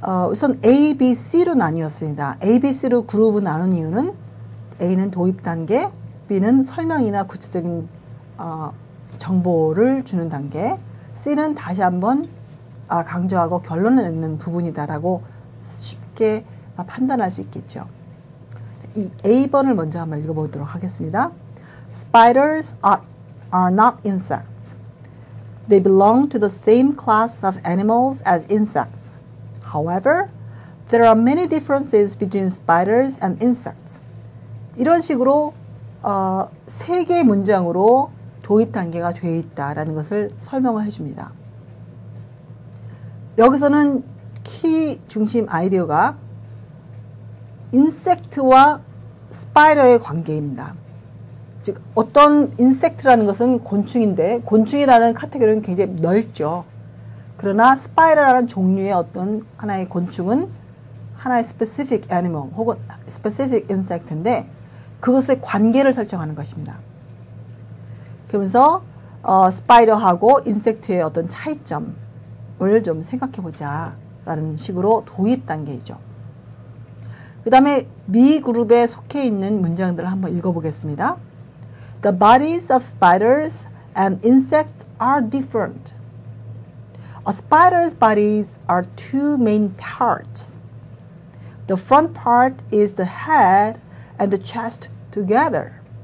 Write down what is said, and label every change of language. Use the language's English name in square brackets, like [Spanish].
[Korean] 우선 A, B, C로 나뉘었습니다. A, B, C로 그룹을 나눈 이유는 A는 도입 단계, B는 설명이나 구체적인 정보를 주는 단계, C는 다시 한번 강조하고 결론을 내는 부분이다라고 쉽게 판단할 수 있겠죠. 이 A번을 먼저 한번 읽어보도록 하겠습니다. [English] Spiders are not insects. They belong to the same class of animals as insects. However, there are many differences between spiders and insects. [Korean] 이런 식으로 세 개의 문장으로 도입 단계가 되어 있다라는 것을 설명을 해줍니다. 여기서는 키 중심 아이디어가 인섹트와 스파이더의 관계입니다. 즉 어떤 인섹트라는 것은 곤충인데 곤충이라는 카테고리는 굉장히 넓죠. 그러나 스파이더라는 종류의 어떤 하나의 곤충은 하나의 [English] specific animal [Korean] 혹은 [English] specific insect [Korean] 인데 그것의 관계를 설정하는 것입니다. 그러면서 스파이더하고 인섹트의 어떤 차이점을 좀 생각해 보자라는 식으로 도입 단계이죠. 그 다음에 B 그룹에 속해 있는 문장들을 한번 읽어보겠습니다. [English] The bodies of spiders and insects are different. A spider's bodies are two main parts. The front part is the head and the chest together.